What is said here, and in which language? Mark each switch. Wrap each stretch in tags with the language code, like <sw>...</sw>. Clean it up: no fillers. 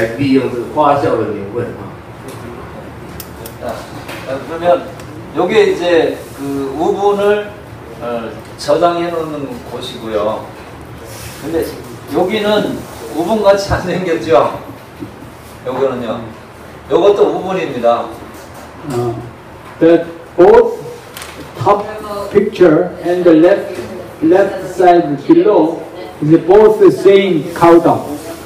<zh>you问并不是直接嘛，就是拿来利用，而是透过发酵以后，哦，再利用这个发酵的牛粪啊。</zh> <ko>그러면 여기 이제 그 우분을 저장해 놓는 곳이고요. 근데 여기는 우분 같이 안 생겼죠? 여기는요. 이것도 우분입니다.</ko> <en>That both top picture and the left side below is both the same cow dung.</en>